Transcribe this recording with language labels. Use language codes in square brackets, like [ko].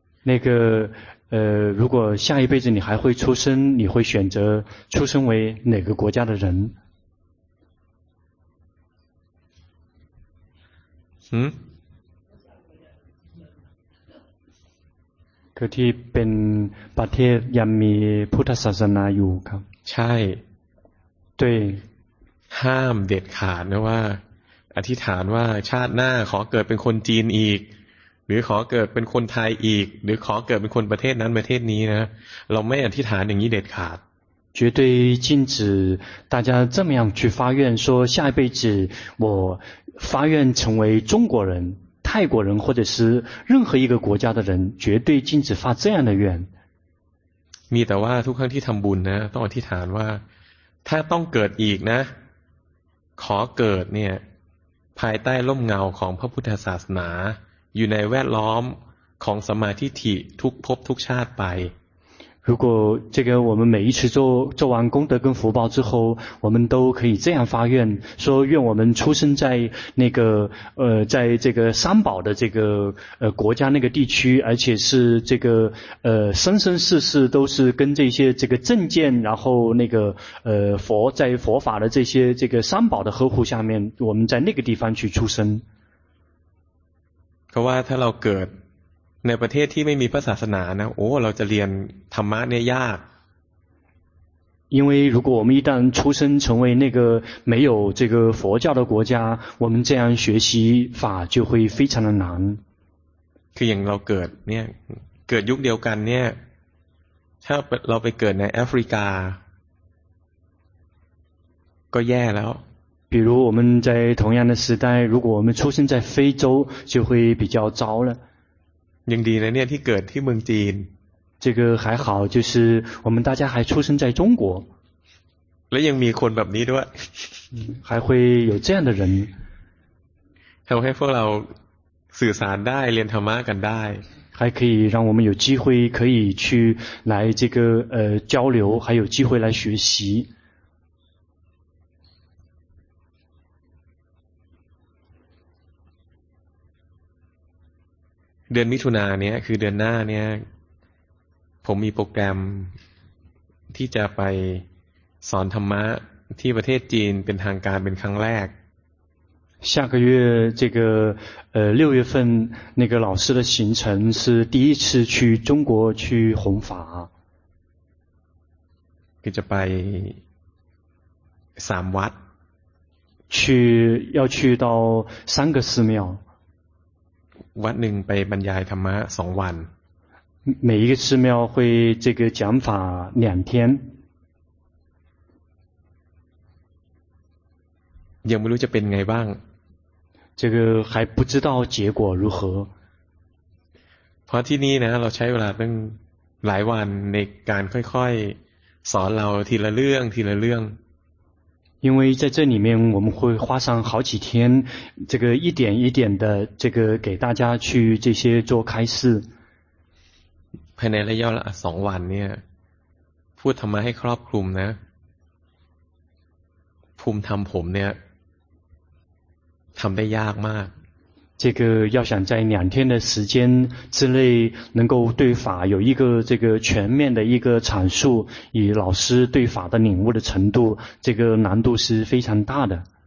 [zh] 那个如果下一辈子你还会出生你会选择出生为哪个国家的人嗯 [th] คือที่เป็นประเทศยังมีพุทธศาสนาอยู่ครับ ใช่ [zh] 对 [th] ห้ามเด็ดขาดนะว่าอธิษฐานว่าชาติหน้าขอเกิดเป็นคนจีนอีกหรือขอเกิดเป็นคนไทยอีกหรือขอเกิดเป็นคนประเทศนั้นประเทศนี้นะเราไม่อธิษฐานอย่างนี้เด็ดขาด [zh] 绝对禁止大家这么样去发愿说下一辈子我发愿成为中国人泰国人或者是任何一个国家的人绝对禁止发这样的愿 [th] มีแต่ว่าทุกครั้งที่ทำบุญนะต้องอธิษฐานว่าถ้าต้องเกิดอีกนะขอเกิดเนี่ยภายใต้ร่มเงาของพระพุทธศาสนาอยู่ในแวดล้อมของสมาธิที่ทุกภพทุกชาติไป [zh] 如果这个我们每一次做完功德跟福报之后我们都可以这样发愿说愿我们出生在那个在这个三宝的这个国家那个地区而且是这个生生世世都是跟这些这个正见然后那个佛在佛法的这些这个三宝的呵护下面我们在那个地方去出生 [th] เพราะว่าถ้าเราเกิดในประเทศที่ไม่มีพระศาสนานะโอ้เราจะเรียนธรรมะเนี่ยยาก [zh] 因为如果我们一旦出生成为那个没有这个佛教的国家我们这样学习法就会非常的难 [th] คืออย่างเราเกิดเนี่ยเกิดยุคเดียวกันเนี่ยถ้าเราไปเกิดในแอฟริกาก็แย่แล้ว [zh] 比如我们在同样的时代如果我们出生在非洲就会比较糟了 [th] ยังดีนะเนี่ยที่เกิดที่เมืองจีน [zh] 这个还好就是我们大家还出生在中国 [th] และยังมีคนแบบนี้ด้วย [zh] 还会有这样的人 [th] ทำให้พวกเราสื่อสารได้เรียนธรรมะกันได้ [zh] 还可以让我们有机会可以去来这个交流还有机会来学习 [th] เดือนมิถุนาเนี้ยคือเดือนหน้าเนี้ยผมมีโปรแกรมที่จะไปสอนธรรมะที่ประเทศจีนเป็นทางการเป็นครั้งแรก [zh] 下个月这个六月份那个老师的行程是第一次去中国去弘法 [th] จะไปสามวัด [zh] 要去到三个寺庙 [th] วันหนึ่งไปบรรยายธรรมะสองวัน [zh] 每一个寺庙会这个讲法两天 [th] ยังไม่รู้จะเป็นไงบ้าง [zh] 这个还不知道结果如何 [th] เพราะที่นี่นะเราใช้เวลาตั้งหลายวันในการค่อยๆสอนเราทีละเรื่องทีละเรื่อง [zh] 因为在这里面我们会花上好几天这个一点一点的这个给大家去这些做开示 [th] ภายในระยะเวลา2วันเนี่ยพูดธรรมะให้ครอบคลุมนะภูมิธรรมผมเนี่ยทำได้ยากมาก [zh] 这个要想在两天的时间之内能够对法有一个这个全面的一个阐述以老师对法的领悟的程度这个难度是非常大的